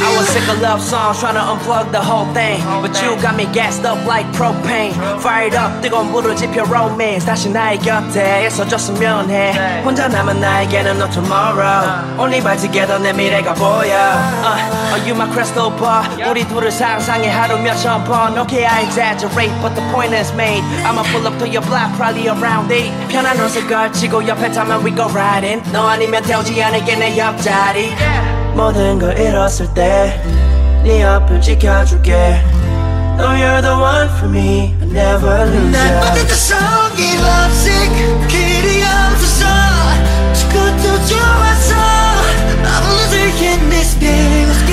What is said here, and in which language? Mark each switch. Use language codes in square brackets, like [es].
[en] sick of love songs, tryna unplug the whole thing. But you got me gassed up like propane. Fired up, [ko] 뜨거운 물을 지펴 romance. 다시 나의 곁에 있어줬으면 해. 혼자 남은 나에게는 [en] no tomorrow. Only by together [ko] 내 미래가 보여. [en] Are you my crystal ball? [ko] 우리 둘을 상상해 하루 몇천 번. [en] Okay, I exaggerate, but the point is made. I'ma pull up to your block, probably around 8. [ko] 편한 옷을 걸치고 옆에 타면 [en] we go riding. [ko] 너 아니면 태우지 않을게 내 옆자리. 모든 걸 잃었을 때 네 옆을 지켜줄게. [en] No, you're the one for me. I never lose you. [ko] 날 빠뜨린 성이 lovesick. 길이 없어서 죽어도 좋아서 [en] I'm losing in this game.